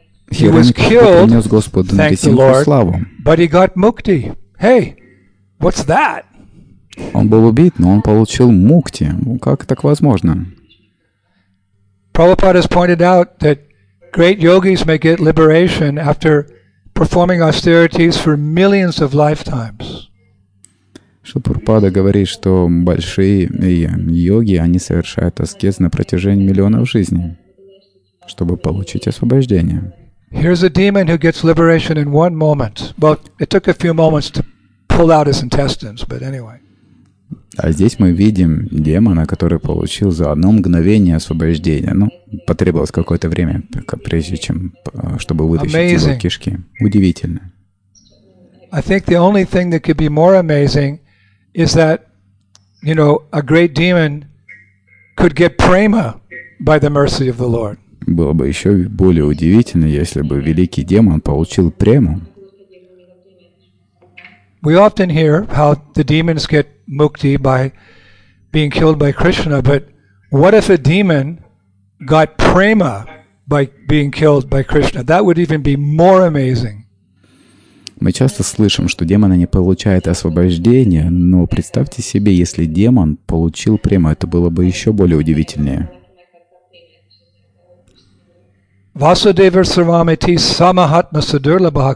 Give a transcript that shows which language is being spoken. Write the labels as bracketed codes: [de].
[en] He was killed, thank the Lord, but he got mukti. Hey, what's that? [ru] Он был убит, но он получил мукти. Как так возможно? [en] Prabhupada has pointed out that great yogis may get liberation after performing austerities for millions of lifetimes. [ru] Шрила Прабхупада говорит, что большие йоги, они совершают аскез на протяжении миллионов жизней, чтобы получить освобождение. [en] Here's a demon who gets liberation in one moment. Well, it took a few moments to pull out his intestines, but anyway. [ru] А здесь мы видим демона, который получил за одно мгновение освобождение. Ну, потребовалось какое-то время, прежде чем, чтобы вытащить [en] amazing. [ru] Его кишки. Удивительно. [en] I think the only thing that could be more amazing is that, you know, a great demon could get prema by the mercy of the Lord. [ru] Было бы еще более удивительно, если бы великий демон получил прему. [en] We often hear how the demons get mukti by being killed by Krishna, but what if a demon got prema by being killed by Krishna? That would even be more amazing. [ru] Мы часто слышим, что демоны не получают освобождение, но представьте себе, если демон получил прему, это было бы еще более удивительнее. [sa] Vasudeva Sarvamiti Samahatma Sadurlabha.